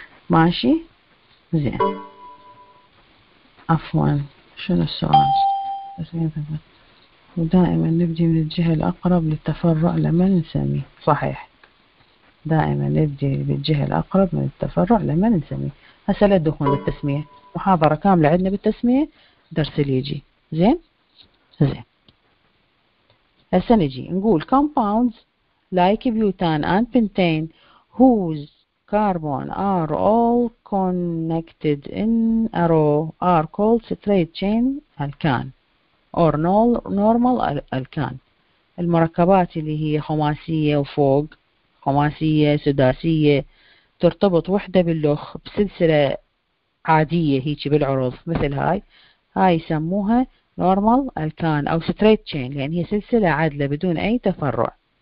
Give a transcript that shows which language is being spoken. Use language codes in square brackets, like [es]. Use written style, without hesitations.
[ar] ماشي؟ زين عفوا شنو السؤال؟ ودائما نبدي من الجهة الأقرب للتفرع لما نسميه، صحيح دائما نبدي بالجهة الأقرب من التفرع لما نسميه. هسه لا تدخلون بالتسمية، محاضرة كاملة عندنا بالتسمية درس اللي يجي. زين زين هسه نجي نقول [en] compounds like butane and pentane whose carbon are all connected in a row are called straight chain alkane or normal alkane. [ar] المركبات اللي هي خماسية وفوق، خماسية سداسية ترتبط وحدة بالأخ بسلسلة عادية هيك بالعروض مثل هاي، هاي يسموها normal alkan أو straight chain، لأن هي سلسلة عادلة بدون أي تفرع.